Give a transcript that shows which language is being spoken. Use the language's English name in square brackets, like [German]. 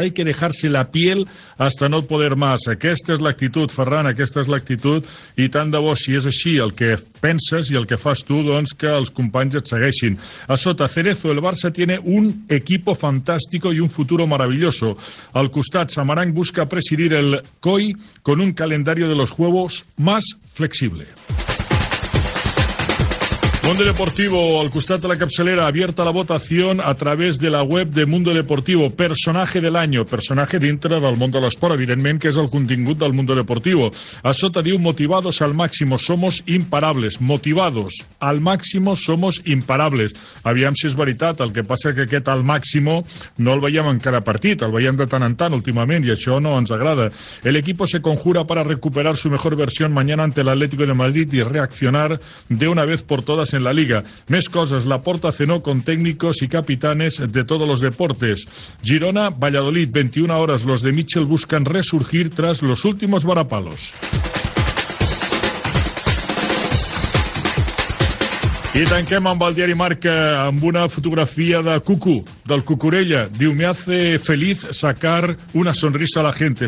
[Spanish] Hay que dejarse la piel hasta no poder más. [Catalan] Aquesta és l'actitud, Ferran, aquesta és l'actitud. I tant de bo, si és així, el que penses i el que fas tu, doncs que els companys et segueixin. A sota, [Spanish] Cerezo, el Barça tiene un equipo fantástico y un futuro maravilloso. [Catalan] Al costat, [Spanish] Samaranch busca presidir el COI con un calendario de los juegos más flexible. Mundo Deportivo, [Catalan] al costat de la capçalera, [Spanish] abierta la votación a través de la web de Mundo Deportivo. Personaje del año, personaje [Catalan] dintre del món de l'esport, evidentment, que és el contingut del Mundo Deportivo. A sota diu, [Spanish] motivados al máximo, somos imparables. Motivados al máximo, somos imparables. [Catalan] Aviam si és veritat, el que passa que aquest [Spanish] al máximo [Catalan] no el veiem en cada partit, el veiem de tant en tant últimament, i això no ens agrada. [Spanish] El equipo se conjura para recuperar su mejor versión mañana ante el Atlético de Madrid y reaccionar de una vez por todas en la Liga. [Catalan] Més coses, [Spanish] Laporta cenó con técnicos y capitanes de todos los deportes. Girona, Valladolid, 21 horas, los de Michel buscan resurgir tras los últimos varapalos. [Catalan] I tanquem amb el diari Marca, amb una fotografia de Cucu, del Cucurella. [Spanish] Diu, me hace feliz sacar una sonrisa a la gente.